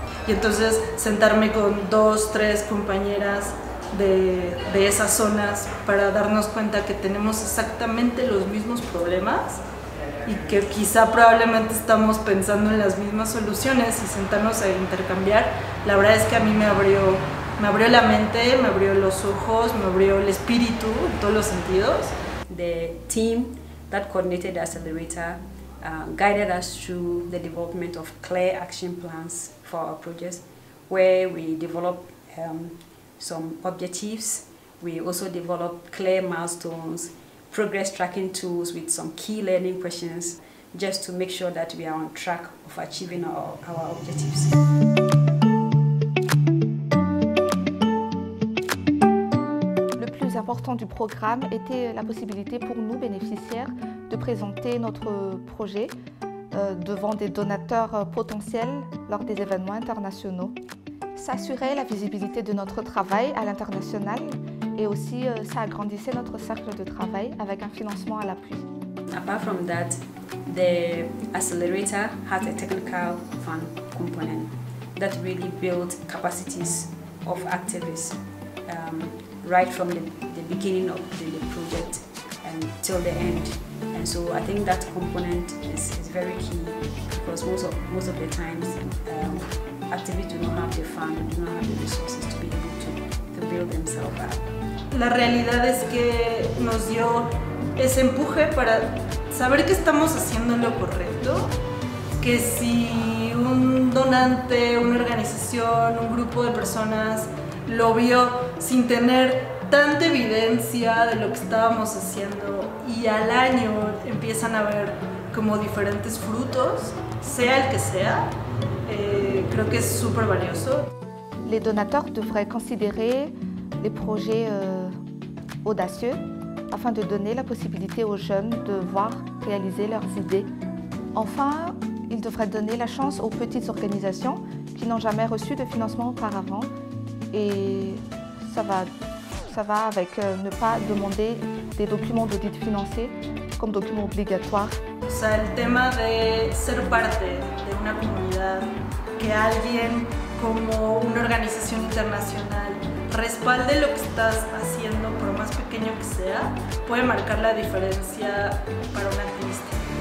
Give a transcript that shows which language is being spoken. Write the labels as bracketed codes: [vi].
[es] Y entonces sentarme con 2, 3 compañeras de esas zonas para darnos cuenta que tenemos exactamente los mismos problemas y que quizá probablemente estamos pensando en las mismas soluciones y sentarnos a intercambiar, la verdad es que a mí me abrió la mente, me abrió los ojos, me abrió el espíritu en todos los sentidos. [en] The team that coordinated the accelerator guided us through the development of clear action plans for our projects, where we develop some objectives. We also develop clear milestones, progress tracking tools with some key learning questions, just to make sure that we are on track of achieving our objectives. [fr] L'important du programme était la possibilité pour nous, bénéficiaires, de présenter notre projet devant des donateurs potentiels lors des événements internationaux. S'assurer la visibilité de notre travail à l'international et aussi ça agrandissait notre cercle de travail avec un financement à l'appui. [en] Apart from that, the accelerator has a technical fund component that really builds capacities of activists. Right from the beginning of the project and till the end. And so I think that component is very key, because most of the times activists do not have the fund, do not have the resources to be able to build themselves up. [es] La realidad es que nos dio ese empuje para saber que estamos haciendo lo correcto, que si un donante, una organización, un grupo de personas lo vio sin tener tanta evidencia de lo que estábamos haciendo y al año empiezan a ver como diferentes frutos, sea el que sea, creo que es súper valioso. [fr] Les donateurs devraient considérer les projets audacieux afin de donner la possibilité aux jeunes de voir réaliser leurs idées. Enfin, ils devraient donner la chance aux petites organisations qui n'ont jamais reçu de financement auparavant. Et ça va avec ne pas demander des documents d'audit financier comme document obligatoire. C'est le thème de [es] ser parte de una comunidad, que alguien como una organización internacional respalde lo que estás haciendo, por más pequeño que sea, puede marcar la diferencia para un activista.